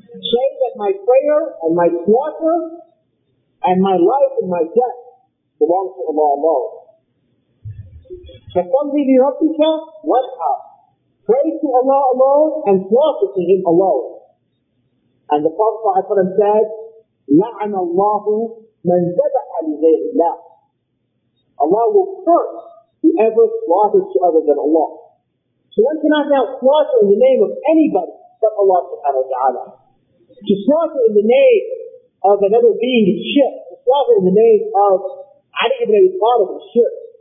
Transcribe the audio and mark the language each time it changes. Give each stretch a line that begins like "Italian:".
English: Say that my prayer and my slaughter and my life and my death belong to Allah alone.
Arabic: فَصَلِّ لِرَبِّكَ وَانْحَرْ.
English: Pray to Allah alone and slaughter to Him alone. And the Prophet said,
Arabic: لَعَنَ اللَّهُ مَنْ ذَبَحَ لِغَيْرِ اللَّهِ.
English: Allah will curse whoever slaughters to other than Allah. So one cannot now slaughter in the name of anybody except Allah subhanahu wa ta'ala. To slaughter in the name of another being is shirk. To slaughter in the name of Ali ibn Abi Talib is shirk.